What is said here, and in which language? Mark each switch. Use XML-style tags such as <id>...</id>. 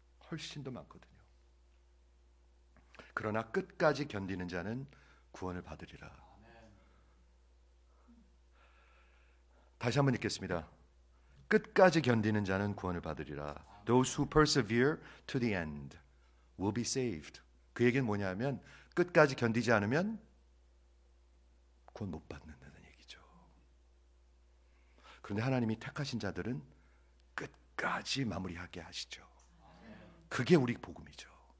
<ko>훨씬 더 많거든요. 그러나 끝까지 견디는 자는 구원을 받으리라. 다시 한번 읽겠습니다. 끝까지 견디는 자는 구원을 받으리라.</ko> <en>Those who persevere to the end will be saved.</en> <ko>그 얘기는 뭐냐 하면 끝까지 견디지 않으면 구원 못 받는. 그런데 하나님이 택하신 자들은 끝까지 마무리하게 하시죠. 그게 우리 복음이죠.</ko>